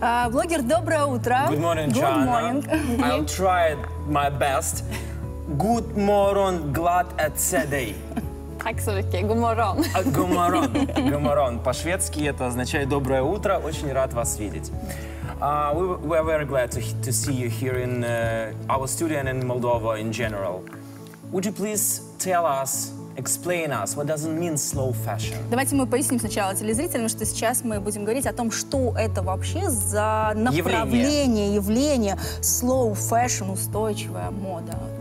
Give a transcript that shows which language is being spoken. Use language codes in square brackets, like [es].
[ru] Блогер, доброе утро. [en] Good morning, Good morning. China. I'll try my best. Good morning, glad at today. [ru] Так, Сурики, гуморон. Гуморон. По-шведски это означает «доброе утро», очень рад вас видеть. [en] We are very glad to see you here in our studio and in Moldova in general. Would you please tell us, explain us, what does it mean slow fashion? [ru] Давайте мы поясним сначала телезрителям, что сейчас мы будем говорить о том, что это вообще за направление, явление slow fashion, устойчивая мода.